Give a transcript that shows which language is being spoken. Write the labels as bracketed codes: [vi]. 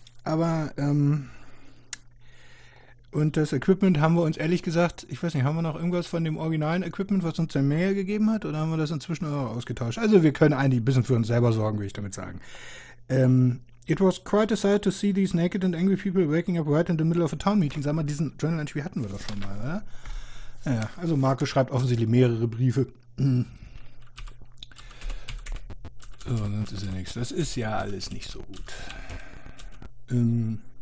[de] Aber, und das Equipment haben wir uns ehrlich gesagt, ich weiß nicht, haben wir noch irgendwas von dem originalen Equipment, was uns der Mayor gegeben hat, oder haben wir das inzwischen auch ausgetauscht? Also wir können eigentlich ein bisschen für uns selber sorgen, würde ich damit sagen. [en] It was quite a sight to see these naked and angry people waking up right in the middle of a town meeting. [de] Sag mal, diesen Journal Entry hatten wir doch schon mal, oder? Ja, also Marco schreibt offensichtlich mehrere Briefe. So, sonst ist ja nichts. Das ist ja alles nicht so gut.